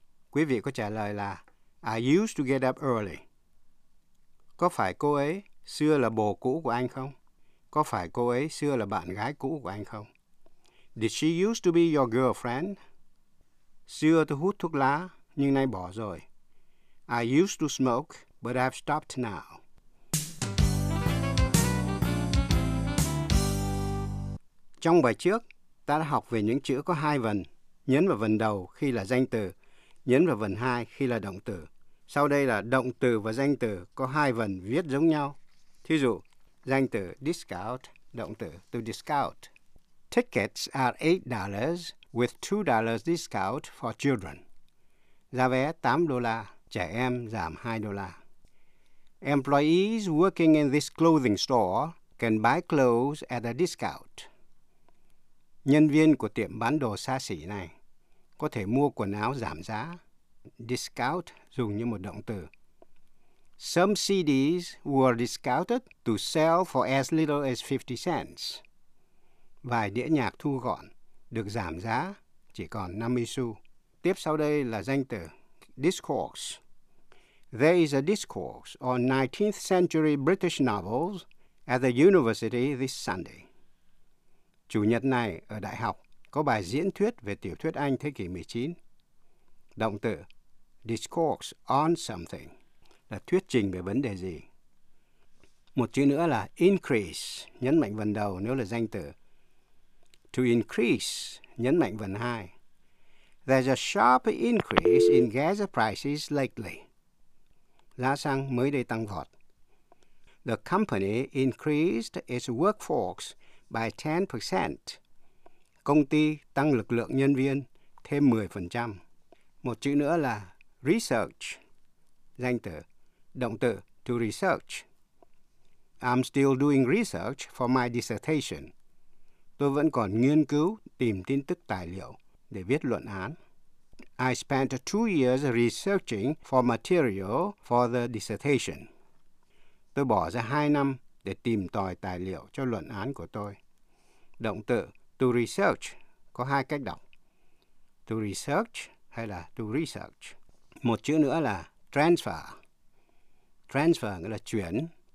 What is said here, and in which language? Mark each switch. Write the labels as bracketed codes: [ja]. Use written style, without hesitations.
[vi] Quý vị có trả lời là [en] I used to get up early. [vi] Có phải cô ấy xưa là bồ cũ của anh không? Có phải cô ấy xưa là bạn gái cũ của anh không? [en] Did she used to be your girlfriend? [vi] Xưa tôi hút thuốc lá, nhưng nay bỏ rồi. [en] I used to smoke, but I've stopped now. [vi] Trong bài trước, ta đã học về những chữ có hai vần, nhấn vào vần đầu khi là danh từ, nhấn vào vần hai khi là động từ. Sau đây là động từ và danh từ có hai vần viết giống nhau. Thí dụ, danh từ discount, động từ to discount. [en] Tickets are $8 with $2 discount for children. [vi] Giá vé $8, trẻ em giảm $2. [en] Employees working in this clothing store can buy clothes at a discount. [vi] Nhân viên của tiệm bán đồ xa xỉ này có thể mua quần áo giảm giá. Discount dùng như một động từ. [en] Some CDs were discounted to sell for as little as 50 cents. [vi] Vài đĩa nhạc thu gọn được giảm giá chỉ còn 50 xu. Tiếp sau đây là danh từ discourse. [en] There is a discourse on 19th century British novels at the university this Sunday. [vi] Chủ nhật này ở đại học có bài diễn thuyết về tiểu thuyết Anh thế kỷ 19. Động từ discourse on something là thuyết trình về vấn đề gì. Một chữ nữa là increase, nhấn mạnh vần đầu nếu là danh từ. [en] To increase, [vi] nhấn mạnh vần hai. [en] There's a sharp increase in gas prices lately. [vi] Giá xăng mới đây tăng vọt. [en] The company increased its workforce by 10%. [vi] Công ty tăng lực lượng nhân viên thêm 10%. Một chữ nữa là research. Danh từ, động từ, to research. [en] I'm still doing research for my dissertation. [vi] Tôi vẫn còn nghiên cứu, tìm tin tức tài liệu để viết luận án. [en] I spent 2 years researching for material for the dissertation. [vi] Tôi bỏ ra 2 năm để tìm tòi tài liệu cho luận án của tôi. Động từ to research có 2 cách đọc. To research hay là to research. Một chữ nữa là transfer. Transfer nghĩa là chuyển.